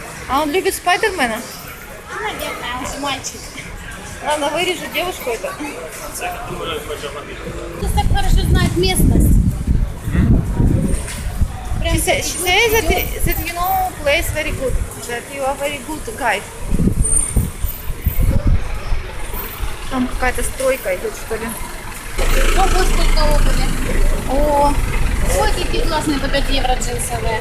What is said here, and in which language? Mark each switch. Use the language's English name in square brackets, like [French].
[Russian] А он любит Спайдермена? Наверное, он же мальчик. Ладно, вырежу девушку это. Ты так хорошо знаешь местность. [English] She says that you know place very good. That you are very good guide. [Russian] Там какая-то стройка идет, что ли. О, вот сколько обуви. О. Ой, какие классные по 5 евро джинсовые.